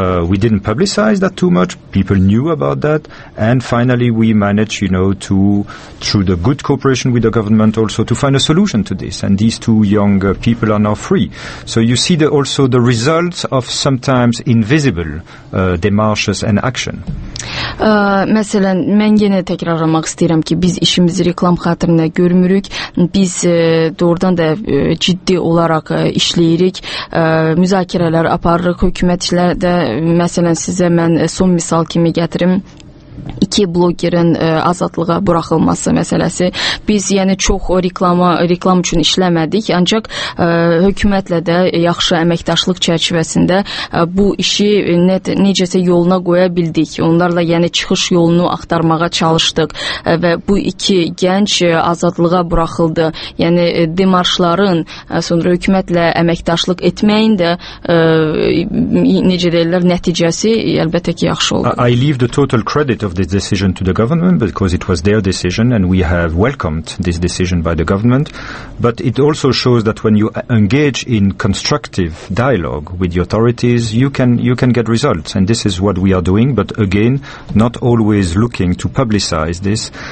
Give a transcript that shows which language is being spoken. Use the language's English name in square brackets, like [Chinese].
[English] We didn't publicize that too much. People knew about that. And finally, we managed, you know, to, through the good cooperation with the government also, to find a solution to this. And these two young people are now free. So you see also the results of sometimes invisible démarches and action. [Azerbaijani] Məsələn, mən yenə təkrarlamaq istəyirəm ki, biz işimizi reklam xatirinə görmürük, biz doğrudan da ciddi olaraq işləyirik, müzakirələr aparırıq, hökumətçilər də, məsələn, sizə mən son misal kimi gətirim. İki blogerin azadlığa buraxılması məsələsi. Biz yəni çox reklam üçün işləmədik, ancaq hökumətlə də yaxşı əməkdaşlıq çərçivəsində bu işi necəsə yoluna qoya bildik. Onlarla yəni çıxış yolunu axtarmağa çalışdıq və bu iki gənc azadlığa buraxıldı. Yəni demarşların sonra hökumətlə əməkdaşlıq etməyin də necə deyirlər, nəticəsi əlbəttə ki yaxşı oldu. [English] I leave the total credit of this decision to the government, because it was their decision and we have welcomed this decision by the government. But it also shows that when you engage in constructive dialogue with the authorities, you can get results, and this is what we are doing. But again, not always looking to publicize this.